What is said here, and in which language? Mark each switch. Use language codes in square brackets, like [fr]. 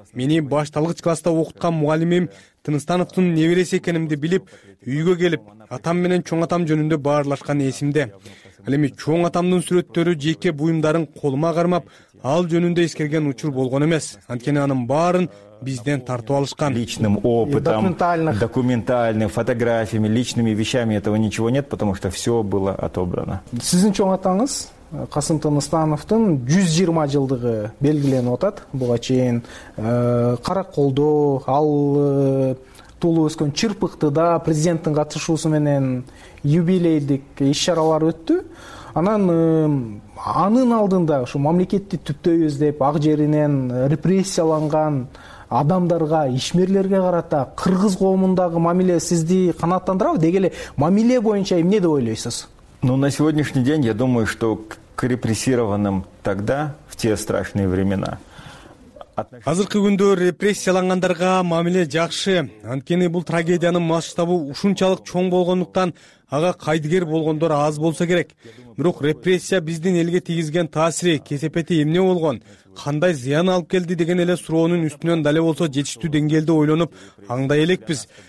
[ky] Мени башталгыч класста окуткан мугалимим Тыныстановдун небереси экенимди билип, үйгө келип, атам менен чоң атам жөнүндө баарлашканы эсимде. Ал эми чоң атамдын сүрөттөрү жеке буюмдарын колума кармап, ал жөнүндө эскерген учур болгон эмес. Анткени анын баарын бизден тартып алышкан. [ru] Личным опытом, документальным, фотографиями, личными вещами этого ничего нет, потому что все было отобрано. [ky] Сиздин чоң атаңыз Касым Тыныстановдун 120 жылдыгы белгиленип атат. Буга чейин Каракколдо ал туулуп өскөн Чырпыктыда президенттин катышуусу менен юбилейдик иш чаралар өттү. Анын алдында ушу мамлекетти түптөйбүз деп ак жеринен репрессияланган адамдарга, ишмерлерге карата кыргыз коомундагы мамиле сизди канааттандырабы? Деги эле мамиле боюнча эмне деп ойлойсуз? [ru] Ну, на сегодняшний день, я думаю, что к репрессированным тогда, в те страшные времена. [ky] Азыркы күндө репрессияланганга мамиле жакшы. Анткени бул трагедиянын масштабы ушунчалык чоң болгондуктан ага кайдыгер болгондор аз болсо керек. Бирок репрессия биздин элге тийгизген таасири, кесепети эмне болгон, кандай зыян алып келди деген эле суроонун үстүнөн дале болсо жетиштүү деңгээлде ойлонуп аңдай элекпиз.